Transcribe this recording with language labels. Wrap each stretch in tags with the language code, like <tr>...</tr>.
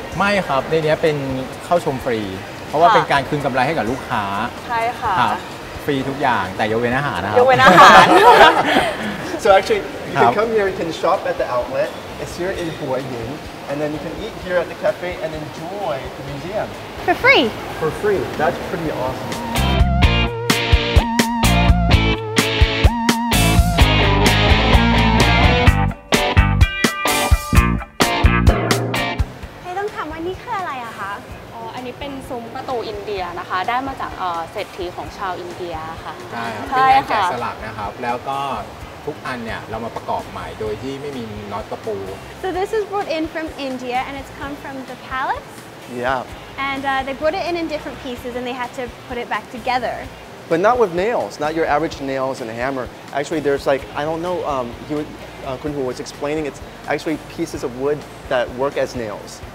<th>ไม่ครับในนี้เป็นเข้าชมฟรีเพราะว่าเป็นการคืนกำไรให้กับลูกค้า ใช่ค่ ะ ฟรีทุกอย่างแต่ยกเว้นอาหารนะครับ ยกเว้นอาหาร</th> <en>So actually you can come here and can shop at the outlet. It's here in Hua Hin, and then you can eat here at the cafe and enjoy the museum. For free? For free. That's pretty awesome.</en> <th>Hey, ต้องถามว่านี่คืออะไรอะคะ อันนี้เป็นซุ้มประตูอินเดียนะคะได้มาจากเศรษฐีของชาวอินเดียค่ะ ใช่ค่ะเป็นการแกะสลักนะครับแล้วก็ทุกอันเนี่ยเรามาประกอบใหม่โดยที่ไม่มีน็อตตะปู</th> <en>So this is brought in from India and it's come from the palace Yeah And they brought it in different pieces and they had to put it back together But not with nails not your average nails and a hammer Actually there's like I don't know Kun Hu was explaining it's actually pieces of wood that work as nails</en>